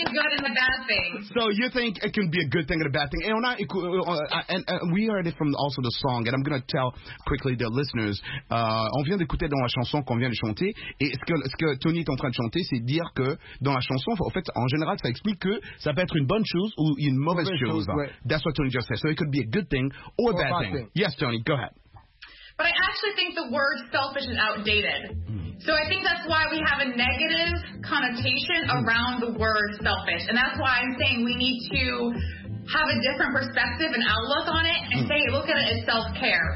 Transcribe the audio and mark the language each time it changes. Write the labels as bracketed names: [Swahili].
[English] So you think it can be a good thing and a bad thing. And we heard it from also the song, and I'm going to tell quickly the listeners. [French] On vient d'écouter dans la chanson qu'on vient de chanter, et ce que Tony est en train de chanter, c'est dire que dans la chanson, en fait, en général, ça explique que ça peut être une bonne chose ou une mauvaise chose. Ouais. [English] That's what Tony just said. So it could be a good thing or a bad thing. Yes, Tony, go ahead. But I actually think the word selfish is outdated. So I think that's why we have a negative connotation around the word selfish. And that's why I'm saying we need to have a different perspective and outlook on it and say, look at it as self-care.